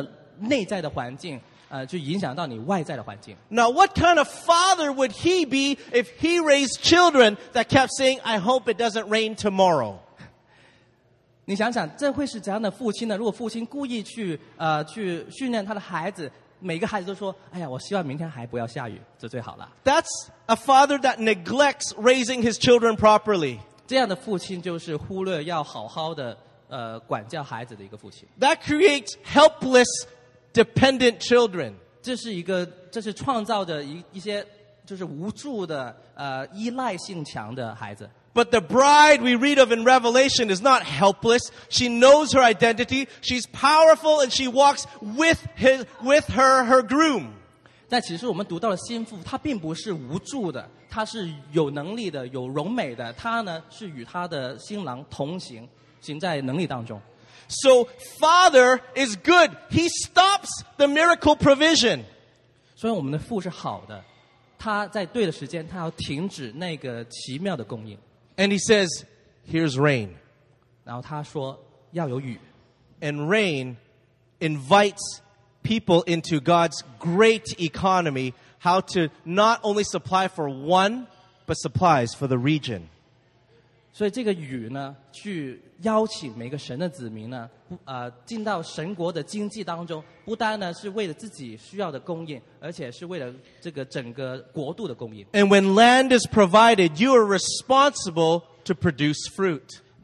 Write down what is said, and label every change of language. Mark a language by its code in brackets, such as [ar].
[zh] 因为是在我们里面产生的内在的环境, 就影响到你外在的环境。 [en] Now, what kind of father would he be if he raised children that kept saying, I hope it doesn't rain tomorrow? [zh] 你想想,这会是怎样的父亲呢?如果父亲故意去, 去训练他的孩子, 每个孩子都说, 哎呀, 我希望明天还不要下雨, 这最好了。 [en] That's a father that neglects raising his children properly. [zh] 这样的父亲就是忽略要好好的, 管教孩子的一个父亲。 [en] That creates helpless, dependent children. [zh] 这是创造的一些就是无助的, 依赖性强的孩子。 [en] But the bride we read of in Revelation is not helpless. She knows her identity. She's powerful and she walks with her groom. [zh] 但其实我们读到了心腹, 她并不是无助的, 她是有能力的, 有容美的, 她呢, 是与她的新郎同行, 行在能力当中。 [en] So father is good. He stops the miracle provision. [zh] 所以我们的父是好的, 她在对的时间, 她要停止那个奇妙的供应。 [en] And he says, here's rain. [zh] 然后他说, 要有雨。 [en] And rain invites people into God's great economy, how to not only supply for one, but supplies for the region. [zh] 所以这个雨呢, 去邀请每个神的子民呢, 进到神国的经济当中, 不单呢, 是为了自己需要的供应, 而且是为了这个整个国度的供应。 [en] And when land is provided, you are responsible to produce fruit.